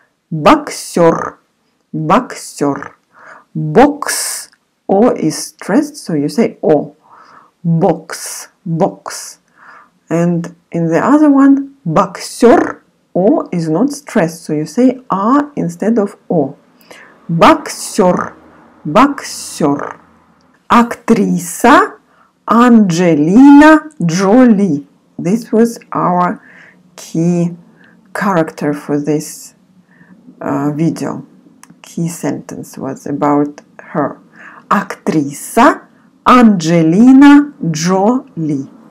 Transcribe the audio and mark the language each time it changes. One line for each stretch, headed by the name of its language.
English: Boxer. Boxer. Box. O is stressed, so you say O. Box. Box. And in the other one, boxer. O is not stressed, so you say A instead of O. Boxer. Боксер.
Russian: Актриса Анджелина Джоли.
English: This was our key character for this video. Key sentence was about her.
Russian: Актриса Анджелина Джоли.